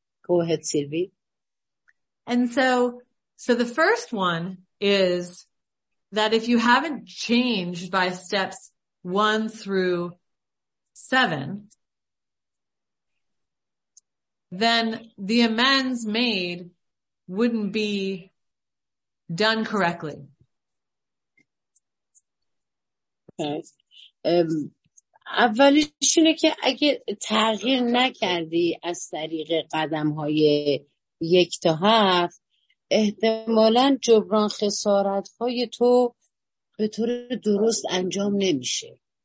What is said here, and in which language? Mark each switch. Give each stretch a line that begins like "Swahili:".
English: Go ahead, Sylvie. And so the first one is that if you haven't changed by steps 1 through 7, then the amends made wouldn't be done correctly. Okay.
Persian: اولیش اینه که اگه تغییر نکردی از طریق قدم‌های 1 تا 7 احتمالاً جبران خسارت‌های تو به طور درست انجام نمیشه.